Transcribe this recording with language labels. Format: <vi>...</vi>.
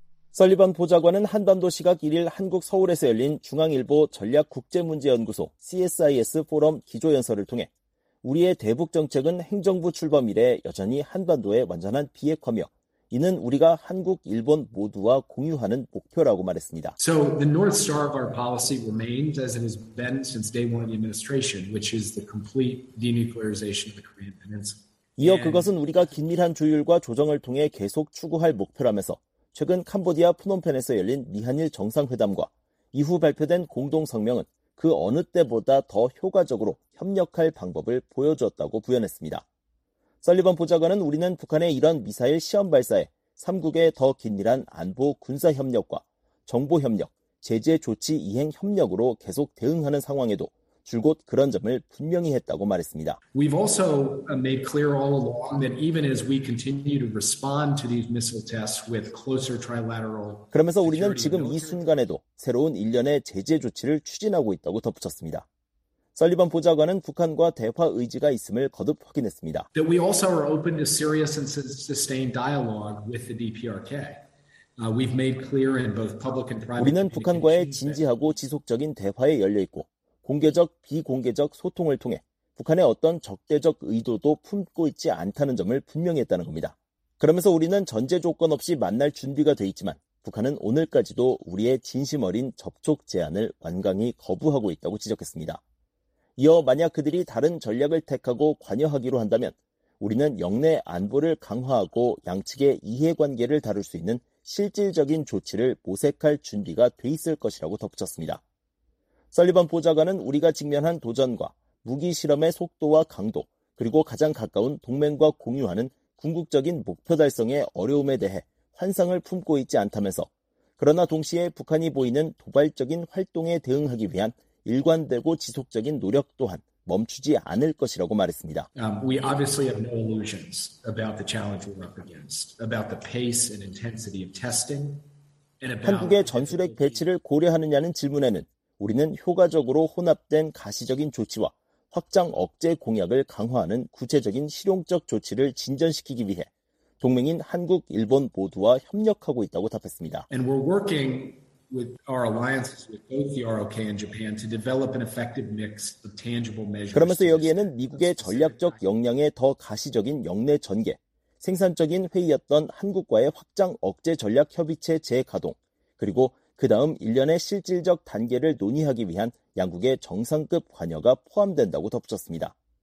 <ko>설리번 보좌관은 한반도 시각 1일 한국 서울에서 열린 중앙일보 전략국제문제연구소 CSIS 포럼 기조연설을 통해 우리의 대북 정책은 행정부 출범 이래 여전히 한반도의 완전한 비핵화며 이는 우리가 한국, 일본 모두와 공유하는 목표라고 말했습니다.</ko> <en>So the North Star of our policy remains as it has been since day one of the administration, which is the complete denuclearization of the Korean Peninsula.</en> <ko>이어 그것은 우리가 긴밀한 조율과 조정을 통해 계속 추구할 목표라면서 최근 캄보디아 프놈펜에서 열린 미한일 정상회담과 이후 발표된 공동성명은 그 어느 때보다 더 효과적으로 협력할 방법을 보여주었다고 부연했습니다. 설리번 보좌관은 우리는 북한의 이런 미사일 시험 발사에 3국의 더 긴밀한 안보 군사협력과 정보협력, 제재 조치 이행 협력으로 계속 대응하는 상황에도 줄곧 그런 점을 분명히 했다고 말했습니다.</ko> <en>We've also made clear all along that even as we continue to respond to these missile tests with closer trilateral</en> <ko>그러면서 우리는 지금 이 순간에도 새로운 일련의 제재 조치를 추진하고 있다고 덧붙였습니다. 설리번 보좌관은 북한과 대화 의지가 있음을 거듭 확인했습니다.</ko> <en>That we also are open to serious and sustained dialogue with the DPRK. We've made clear in both public and private</en> <ko>우리는 북한과의 진지하고 지속적인 대화에 열려 있고 공개적, 비공개적 소통을 통해 북한의 어떤 적대적 의도도 품고 있지 않다는 점을 분명히 했다는 겁니다. 그러면서 우리는 전제 조건 없이 만날 준비가 돼 있지만 북한은 오늘까지도 우리의 진심 어린 접촉 제안을 완강히 거부하고 있다고 지적했습니다. 이어 만약 그들이 다른 전략을 택하고 관여하기로 한다면 우리는 영내 안보를 강화하고 양측의 이해관계를 다룰 수 있는 실질적인 조치를 모색할 준비가 돼 있을 것이라고 덧붙였습니다. 설리번 보좌관은 우리가 직면한 도전과 무기 실험의 속도와 강도, 그리고 가장 가까운 동맹과 공유하는 궁극적인 목표 달성의 어려움에 대해 환상을 품고 있지 않다면서, 그러나 동시에 북한이 보이는 도발적인 활동에 대응하기 위한 일관되고 지속적인 노력 또한 멈추지 않을 것이라고 말했습니다.</ko> <en>We obviously have no illusions about the challenge we're up against, about the pace and intensity of testing.</en> <ko>한국의 전술핵 배치를 고려하느냐는 질문에는 우리는 효과적으로 혼합된 가시적인 조치와 확장 억제 공약을 강화하는 구체적인 실용적 조치를 진전시키기 위해 동맹인 한국, 일본 모두와 협력하고 있다고 답했습니다.</ko> <en>And we're working with our alliances with both the ROK and Japan to develop an effective mix of tangible measures.</en> <ko>그러면서 여기에는 미국의 전략적 역량의 더 가시적인 역내 전개, 생산적인 회의였던 한국과의 확장 억제 전략 협의체 재가동, 그리고 그 다음 일련의 실질적 단계를 논의하기 위한 양국의 정상급 관여가 포함된다고 덧붙였습니다.</ko>